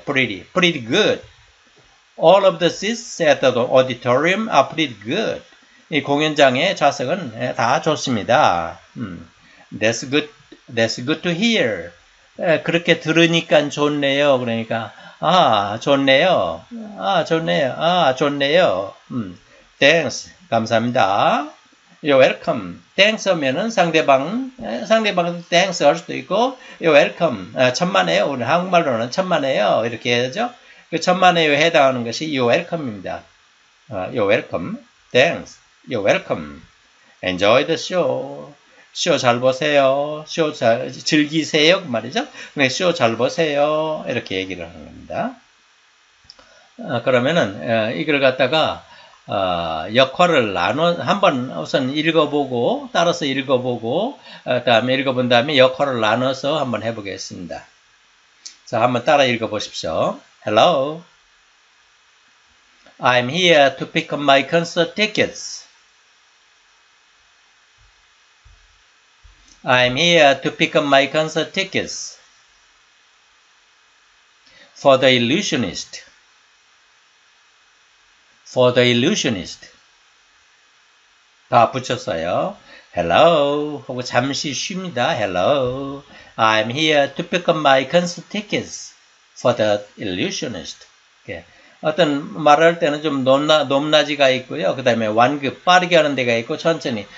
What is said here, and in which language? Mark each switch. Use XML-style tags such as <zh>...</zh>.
<en>pretty good. All of the seats at the auditorium are pretty good.</en> <ko>이 공연장의 좌석은 다 좋습니다.</ko> <en>That's good to hear.</en> <ko>그렇게 들으니까 좋네요. 그러니까 아 좋네요. 아 좋네요. 아 좋네요. Thanks. 감사합니다.</ko> <en>You're welcome.</en> <ko>Thanks 하면은 상대방 thanks 할 수도 있고</ko> <en>You're welcome.</en> <ko>천만에요. 오늘 한국말로는 천만에요. 이렇게 해야죠. 그 천만에요에 해당하는 것이 You're welcome입니다.</ko> <en>You're welcome. Thanks. You're welcome. Enjoy the show.</en> <ko>쇼 잘 보세요. 쇼 잘 즐기세요. 그 말이죠. 네, 쇼 잘 보세요. 이렇게 얘기를 하는 겁니다. 그러면은 이걸 갖다가 역할을 나눠 한번 우선 읽어보고 따라서 읽어보고 다음에 읽어본 다음에 역할을 나눠서 한번 해보겠습니다. 자, 한번 따라 읽어보십시오.</ko> <en>Hello. I'm here to pick up my concert tickets. I'm here to pick up my concert tickets for the illusionist. For the illusionist.</en> <ko>다 붙였어요.</ko> <en>Hello. 하고 잠시 쉽니다. Hello. I'm here to pick up my concert tickets for the illusionist.</en> <ko>이렇게. 어떤 말할 때는 좀 높낮이가 있고요. 그 다음에 완급 빠르게 하는 데가 있고 천천히.</ko>